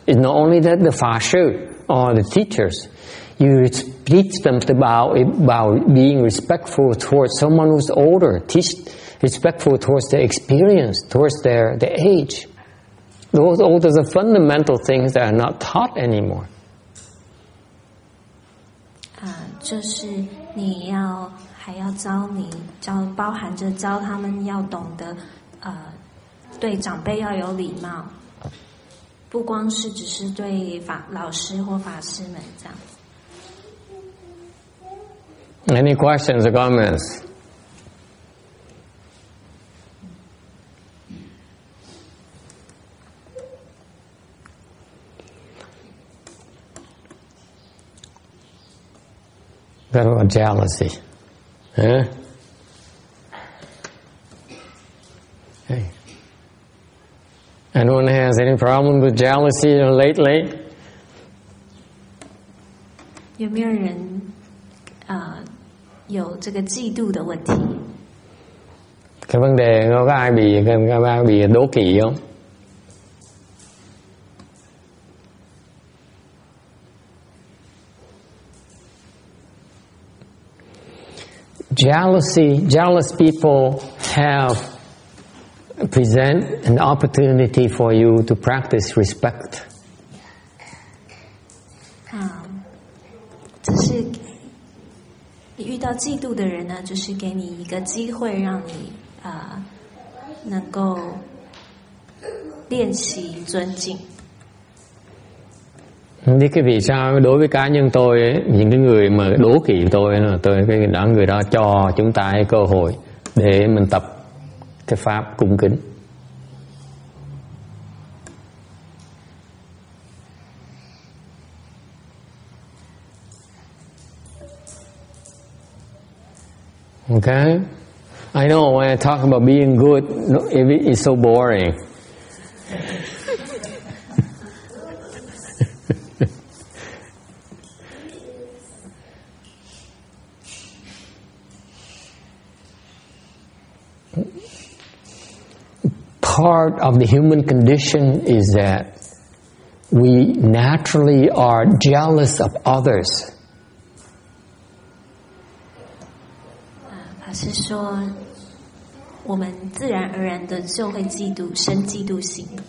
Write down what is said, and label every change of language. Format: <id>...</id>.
<en>It's not only that the fashu or the teachers. You teach them to bow being respectful towards someone who's older. Teach respectful towards their experience, towards their age. Those elders are fundamental things that are not taught anymore.</en> <zh>就是你要还要教你教包含着教他们要懂得对长辈要有礼貌，不光是只是对法老师或法师们这样。</zh> <en>Any questions or comments? That was jealousy. Huh? Hey. Anyone has any problem with jealousy lately?</en> <zh>有没有人有这个嫉妒的问题？</zh> <vi>cái vấn đề có ai bị cái bạn bị đố kỵ không?</vi> <en>Jealousy, jealous people have present an opportunity for you to practice respect.</en> <zh>这是你遇到嫉妒的人呢，就是给你一个机会，让你能够练习尊敬。</zh> <vi>Thế cái vì sao đối với cá nhân tôi ấy, những cái người mà đố kỵ tôi cái đó người đó cho chúng ta cái cơ hội để mình tập cái pháp cung kính.</vi> <en>Okay, I know when I talk about being good, it's so boring. Part of the human condition is that we naturally are jealous of others.</en> <zh>法师说，我们自然而然的就会嫉妒，生嫉妒心。</zh>